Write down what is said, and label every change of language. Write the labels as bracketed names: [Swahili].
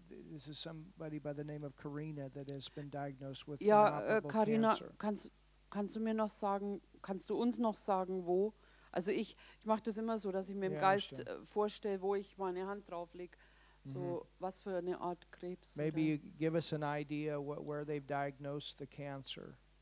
[English] This is somebody by the name of Karina that has been diagnosed with Karina, cancer. [German] Kannst du mir noch sagen, kannst du uns noch sagen, wo? Also ich mache das immer so, dass ich mir im Geist vorstelle, wo ich meine Hand drauf lege. So, mm-hmm. Was für eine Art Krebs? [English] Maybe you give us an idea where they've diagnosed the cancer.